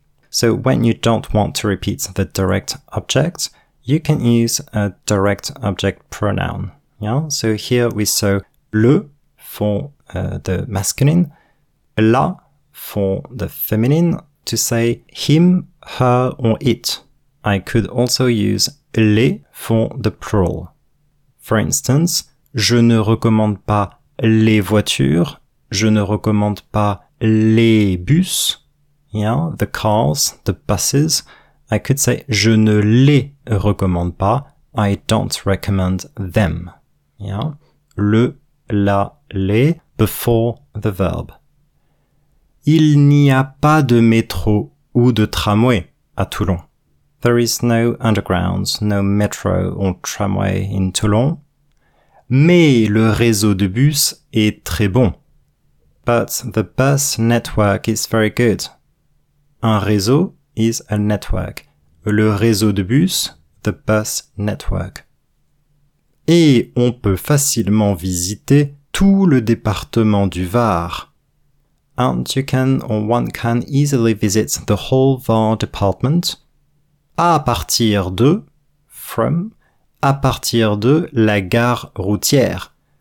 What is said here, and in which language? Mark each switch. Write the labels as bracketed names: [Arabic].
[English] So when you don't want to repeat the direct object, you can use a direct object pronoun. Yeah? So here we saw le for the masculine, la for the feminine, to say him, her, or it. I could also use les for the plural. For instance, [French] je ne recommande pas les voitures, je ne recommande pas les bus. [English] Yeah, the cars, the buses. I could say, [French] je ne les recommande pas. [English] I don't recommend them. Yeah, le, la, les, before the verb. [French] Il n'y a pas de métro ou de tramway à Toulon. [English] There is no underground, no metro or tramway in Toulon. [French] Mais le réseau de bus est très bon. [English] But the bus network is very good. Un réseau is a network. [French] Le réseau de bus, [English] the bus network. [French] Et on peut facilement visiter tout le département du Var. [English] And you can or one can easily visit the whole Var department. [French] À partir de, from, à partir de la gare routière.